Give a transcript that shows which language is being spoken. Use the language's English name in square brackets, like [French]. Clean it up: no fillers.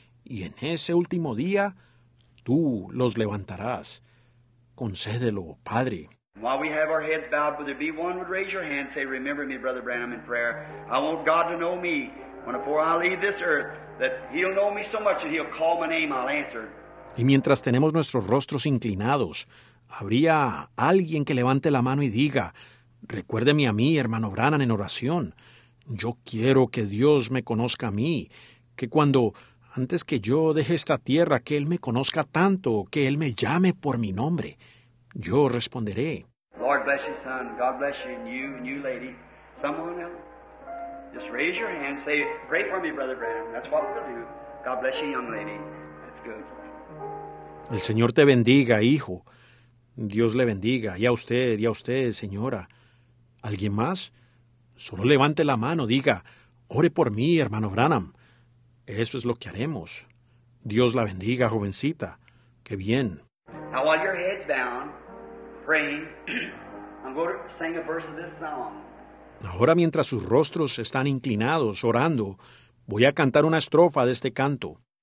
[Spanish] Y en ese último día, tú los levantarás. Concédelo, Padre. [English] While we have our heads bowed, would there be one would raise your hand and say, remember me, Brother Branham, in prayer. I want God to know me when before I leave this earth, that He'll know me so much that He'll call my name, I'll answer. [Spanish] Y mientras tenemos nuestros rostros inclinados, ¿habría alguien que levante la mano y diga, recuérdeme a mí, hermano Branham, en oración? Yo quiero que Dios me conozca a mí, que cuando, antes que yo deje esta tierra, que Él me conozca tanto, que Él me llame por mi nombre. Yo responderé. [English] Lord bless you, son. God bless you, and you, lady. Someone else. Just raise your hand, say, pray for me, Brother Branham. That's what we'll do. God bless you, young lady. That's good. [Spanish] El Señor te bendiga, hijo. Dios le bendiga. Y a usted, señora. ¿Alguien más? Solo levante la mano, diga, ore por mí, hermano Branham. Eso es lo que haremos. Dios la bendiga, jovencita. Qué bien. [English] Now, while your head's down, praying, I'm going to sing a verse of this song. [Spanish] Ahora, mientras sus rostros están inclinados, orando, voy a cantar una estrofa de este canto.